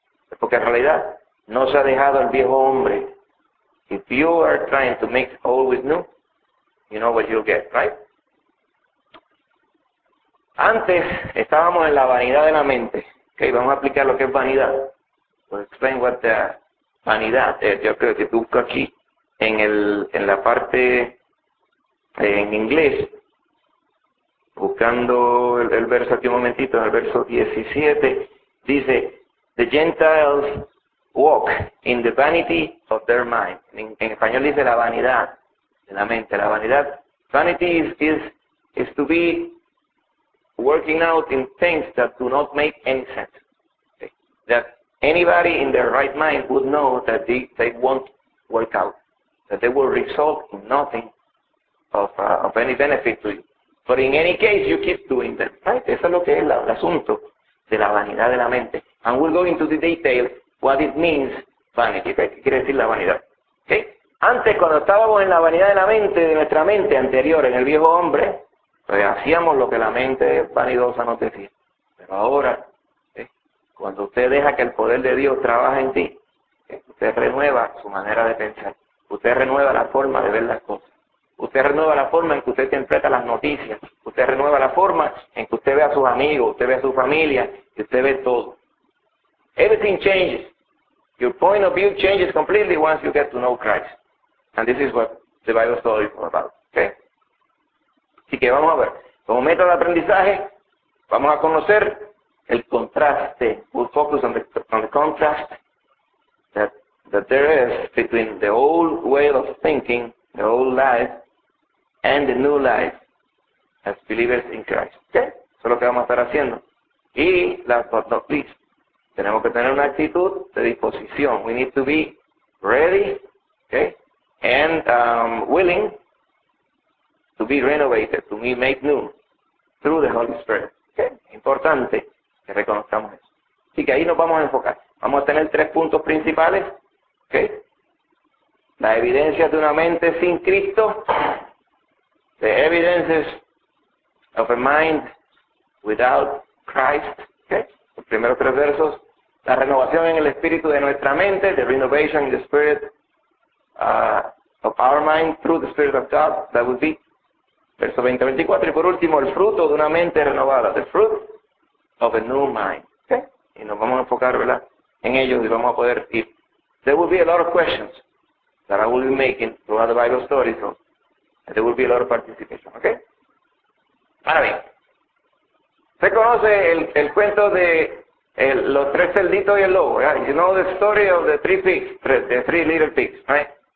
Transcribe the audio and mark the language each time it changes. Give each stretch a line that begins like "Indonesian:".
Spanish: Es porque en realidad no se ha dejado el viejo hombre.
English: If you are trying to make old with new, you know what you'll get, right?
Spanish: Antes estábamos en la vanidad de la mente. Okay, vamos a aplicar lo que es vanidad.
English: We'll explain what the vanidad is.
Spanish: Yo creo que busco aquí en inglés, buscando el verso aquí un momentito, en el verso 17, dice,
English: the Gentiles walk in the vanity of their mind.
Spanish: En español dice la vanidad de la mente, la vanidad.
English: Vanity is to be working out in things that do not make any sense. Okay. That anybody in their right mind would know that they won't work out, that they will result in nothing of any benefit to you. But in any case, you keep doing them, right?
Spanish: Eso es lo que es el asunto de la vanidad de la mente.
English: And we'll go into the detail what it means, vanity.
Spanish: ¿Qué quiere decir la vanidad? Okay? Antes, cuando estábamos en la vanidad de la mente, de nuestra mente anterior, en el viejo hombre, pues hacíamos lo que la mente vanidosa nos decía. Pero ahora, ¿sí? Cuando usted deja que el poder de Dios trabaje en ti, ¿sí? Usted renueva su manera de pensar. Usted renueva la forma de ver las cosas. Usted renueva la forma en que usted interpreta las noticias. Usted renueva la forma en que usted ve a sus amigos, usted ve a su familia, y usted ve todo.
English: Everything changes. Your point of view changes completely once you get to know Christ. And this is what the Bible story is about.
Spanish: Okay? Así que vamos a ver. Como método de aprendizaje, vamos a conocer el contraste.
English: We'll focus on the contrast that there is between the old way of thinking, the old life, and the new life as believers in Christ.
Spanish: ¿Okay? Eso es lo que vamos a estar haciendo. Y,
English: last but not least,
Spanish: tenemos que tener una actitud de disposición.
English: We need to be ready, okay, and willing to be renovated, to be made new through the Holy Spirit.
Spanish: ¿Okay? Importante que reconozcamos eso. Así que ahí nos vamos a enfocar. Vamos a tener tres puntos principales. ¿Okay? La evidencia de una mente sin Cristo.
English: The evidences of a mind without Christ. ¿Okay?
Spanish: Los primeros tres versos. La renovación en el espíritu de nuestra mente.
English: The renovation in the spirit of our mind through the Spirit of God. That would be verso 20, 24.
Spanish: Y por último, el fruto de una mente renovada.
English: The fruit of a new mind.
Spanish: ¿Okay? Y nos vamos a enfocar, ¿verdad?, en ellos y vamos a poder ir.
English: There will be a lot of questions that I will be making throughout the Bible story. So there will be a lot of participation.
Spanish: ¿Okay? Ahora bien. ¿Se conoce el cuento de Los tres cerditos y el lobo. Yeah?
English: You know the story of the three pigs, the three little pigs, right?